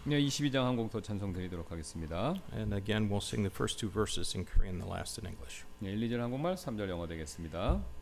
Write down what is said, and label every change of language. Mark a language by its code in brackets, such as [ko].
[ko] 네, 22장 한 곡 더 찬송 드리도록 하겠습니다. [en] And again, we'll sing the first two verses in Korean, the last in English. [ko] 네, 1, 2절 한국말, 3절 영어 되겠습니다.